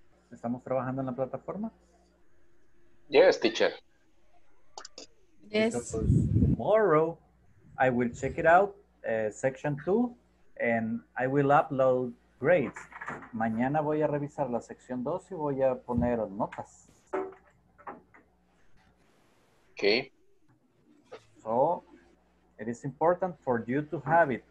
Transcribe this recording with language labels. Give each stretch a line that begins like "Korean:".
Spanish: ¿Estamos trabajando en la plataforma?
English: Yes, teacher. Yes. Because tomorrow, I will check it out, section 2, and I will upload grades.
Spanish: Mañana voy a revisar la sección 2 y voy a poner notas.
English: Okay. So, it is important for you to have it.